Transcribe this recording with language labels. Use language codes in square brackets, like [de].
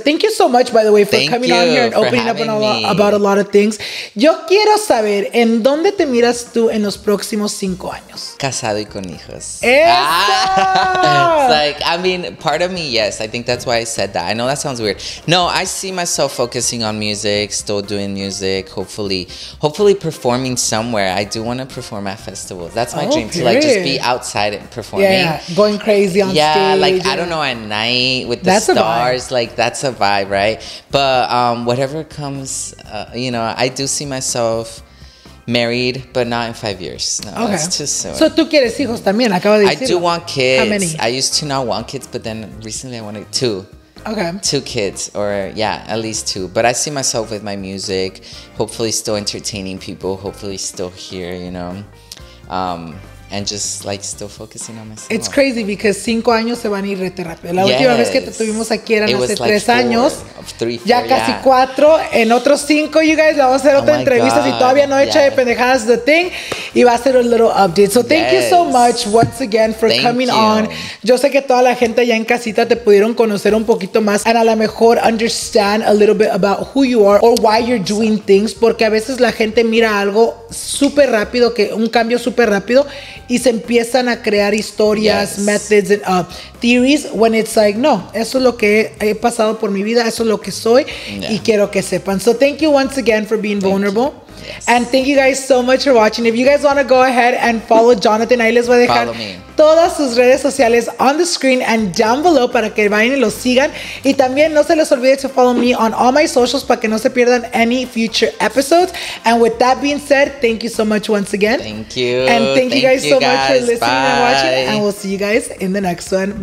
[en] Thank you so much, by the way, for coming on here and opening up about a lot of things. [es] Yo quiero saber en dónde te miras tú en los próximos 5 años. Casado y con hijos. ¡Eso! [en] It's like, I mean, part of me, yes, I think that's why I said that. I know that sounds weird. No, I see myself focusing on music, still doing music, hopefully performing somewhere. I do want to perform at festivals. That's my dream, period. To like just be outside and performing. Yeah, going crazy on stage. Like, yeah, like, I don't know, at night with the stars. Like, that's a vibe, right? But whatever comes, you know, I do see myself married, but not in 5 years. No, okay. That's too soon. [es] So, tú quieres hijos también, acabo de decir. [en] I do want kids. How many? I used to not want kids, but then recently I wanted two. Okay. Two kids, or yeah, at least two. But I see myself with my music, hopefully still entertaining people, hopefully still here, you know. And just like still focusing on myself. It's crazy because [es] 5 años se van a ir rápido. La última vez que te tuvimos aquí eran hace 3 años. Ya casi 4. En otros 5, [en] you guys, [es] la vamos a hacer otra entrevista. Si todavía no hecha de pendejadas, [en] the thing. [es] Y va a ser un [en] little update. So thank you so much once again for coming on. [es] Yo sé que toda la gente allá en casita te pudieron conocer un poquito más. [en] And [es] a lo mejor [en] understand a little bit about who you are or why you're doing things. [es] Porque a veces la gente mira algo súper rápido, que un cambio súper rápido. Y se empiezan a crear historias, [en] methods, and theories, when it's like, [es] no, eso es lo que he pasado por mi vida, eso es lo que soy, y quiero que sepan. [en] So thank you once again for being vulnerable. And thank you guys so much for watching. If you guys want to go ahead and follow Jonathan, [es] ahí les voy a dejar todas sus redes sociales [en] on the screen and down below [es] para que vayan y lo sigan. Y también no se les olvide [en] to follow me on all my socials [es] para que no se pierdan [en] any future episodes. And with that being said, thank you so much once again. Thank you. And thank you guys so much for listening and watching. And we'll see you guys in the next one.